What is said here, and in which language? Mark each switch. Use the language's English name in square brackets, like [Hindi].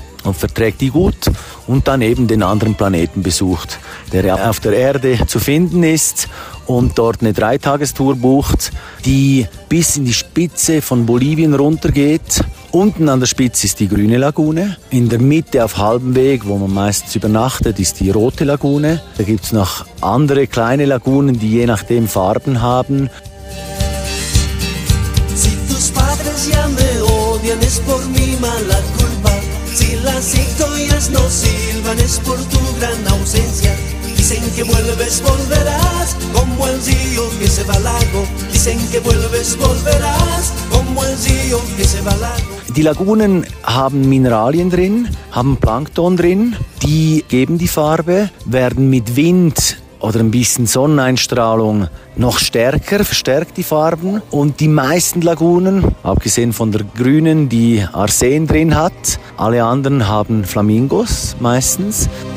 [German] und verträgt die gut und dann eben den anderen Planeten besucht, der auf der Erde zu finden ist, und dort eine 3-Tagestour bucht, die bis in die Spitze von Bolivien runtergeht. Unten an der Spitze ist die grüne Lagune. In der Mitte auf halbem Weg, wo man meistens übernachtet, ist die rote Lagune. Da gibt es noch andere kleine Lagunen, die je nachdem Farben haben. [Spanish] Si tus padres ya me odian, es por mi mala culpa. Si las historias no silban, es por tu gran ausencia. Dicen que vuelves, volverás, como el río que se va al lago. Dicen que vuelves, volverás, como el río que se va al lago. [German] Die Lagunen haben Mineralien drin, haben Plankton drin, die geben die Farbe, werden mit Wind oder ein bisschen Sonneneinstrahlung noch stärker, verstärkt die Farben. Und die meisten Lagunen, abgesehen von der grünen, die Arsen drin hat, alle anderen haben Flamingos meistens.